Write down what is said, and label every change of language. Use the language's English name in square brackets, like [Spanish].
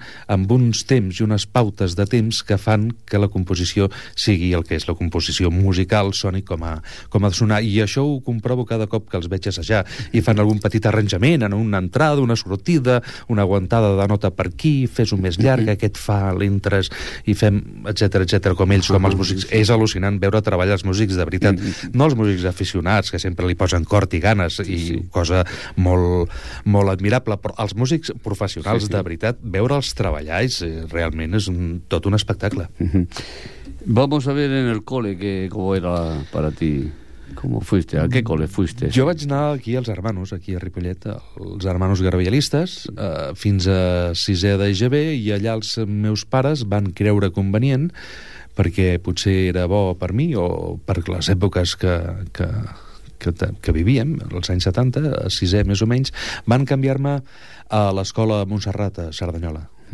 [Catalan] amb uns temps i unes pautes de temps que fan que la composició sigui el que és la composició musical, sònic com a sonar, i això ho comprovo cada cop que els veig assajar, i fan algun petit arranjament en una entrada, una sortida, una aguantada de nota per aquí, fes-ho més llarg, aquest fa l'intre, i fem, etcètera, etcètera, com ells, com els músics. És al·lucinant veure treballar els músics, de veritat. No els músics aficionats, que sempre li posen cort i ganes, i sí, cosa molt, molt admirable, però els músics professionals, de veritat, veure'ls treballar és, realment és tot un espectacle. [Spanish] Vamos a ver en el cole que, cómo era para ti. ¿Cómo fuiste? ¿A qué cole fuiste? [Catalan] Jo vaig anar aquí als Hermanos, aquí a Ripollet, als Hermanos Garbellalistes, fins a 6è de EGB, i allà els meus pares van creure convenient, perquè potser era bo per mi, o per les èpoques que vivíem, els anys 70, a 6è més o menys, van canviar-me a l'escola Montserrat, a Cerdanyola.